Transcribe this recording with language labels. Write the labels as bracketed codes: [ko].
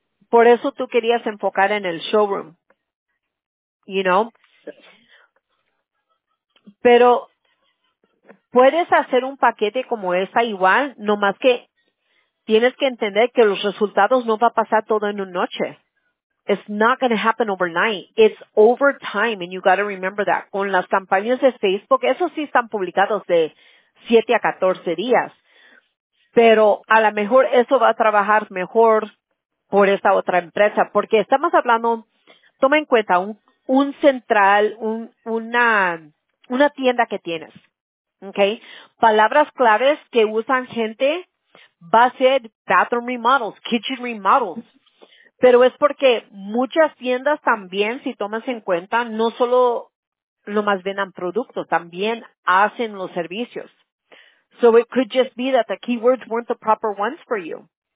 [es] Por eso tú querías enfocar en el showroom, you know. Pero puedes hacer un paquete como esta igual, no más que tienes que entender que los resultados no va a pasar todo en una noche. [en] It's not going to happen overnight. It's over time, and you got to remember that. [es] Con las campañas de Facebook, esos sí están publicados de 7 a 14 días. Pero a lo mejor eso va a trabajar mejor por esta otra empresa, porque estamos hablando, toma en cuenta, una tienda que tienes, okay. Palabras claves que usan gente va a ser bathroom remodels, kitchen remodels, Pero es porque muchas tiendas también, si tomas en cuenta, no solo lo más vendan producto, también hacen los servicios. [en] So it could just be that the keywords weren't the proper ones for you.